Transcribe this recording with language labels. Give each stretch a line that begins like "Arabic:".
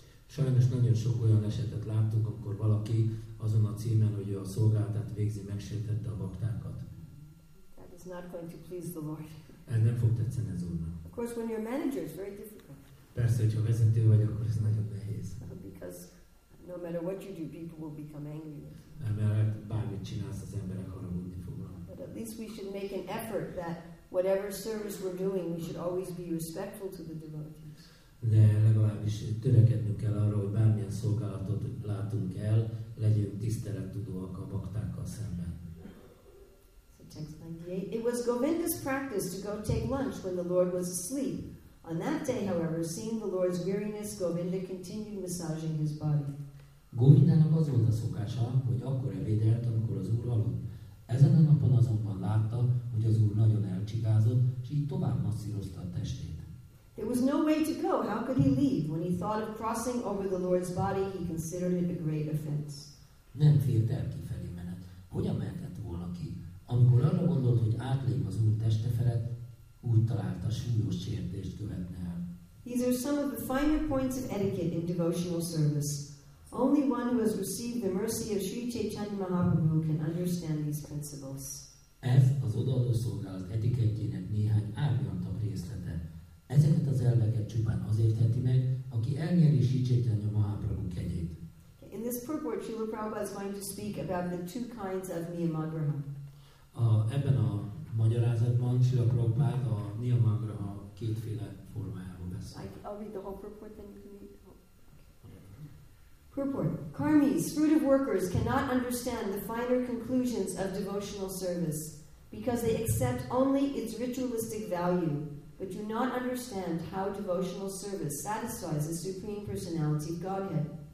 Hungarian: Sajnos nagyon sok olyan esetet láttunk, amikor valaki azon a címen, hogy ő a szolgálatát végzi, megsértette a baktákat.
English: That is not going to please the Lord.
Hungarian: Ez nem fog tetszeni az Úrnak.
English: Of course, when you're a manager, it's very difficult.
Hungarian: Persze, hogyha vezető vagy, akkor ez nagyon nehéz.
English: Because no matter what you do, people will become angry.
Hungarian: Mert bármit csinálsz, az emberek haragudni fognak.
English: But at least we should make an effort that whatever service we're doing, we should always be respectful to the devotees.
Hungarian: De legalábbis törekednünk kell arra, hogy bármilyen szolgálatot látunk el, legyünk tisztelettudóak a baktákkal szemben.
English: So text 98. It was Govinda's practice to go take lunch when the Lord was asleep. On that day, however, seeing the Lord's weariness, Govinda continued massaging his body.
Hungarian: Govindának az volt a szokása, hogy akkor ebédelt, amikor az Úr aludt. Ezen a napon azonban látta, hogy az Úr nagyon elcsigázott, és így tovább masszírozta a testét.
English: There was no way to go. How could he leave? When he thought of crossing over the Lord's body, he considered it a great offense.
Hungarian: Nem félt el kifelé menet. Hogyan mehetett volna ki? Amikor arra gondolt, hogy átlép az Úr teste felett, úgy találta súlyos sértést követne el.
English: These are some of the finer points of etiquette in devotional service. Only one who has received the mercy of Sri Chaitanya Mahaprabhu can understand these principles.
Hungarian: Ez az odaadó szolgálat etikettjének néhány árnyaltabb részlete. Ezeket az elveket csupán azért teti meg, aki elnyeri Sri Chaitanya Mahaprabhu kegyét.
English: In this purport, Srila Prabhupada is going to speak about the two kinds of niyamagraha.
Hungarian: Ebben a magyarázatban Srila Prabhupada a niyamagraha kétféle formájáról beszél.
English: I'll read the whole purport, then you can read. Purport. Karmis, fruit of workers, cannot understand the finer conclusions of devotional service because they accept only its ritualistic value, but do not understand how devotional service satisfies the Supreme Personality of Godhead.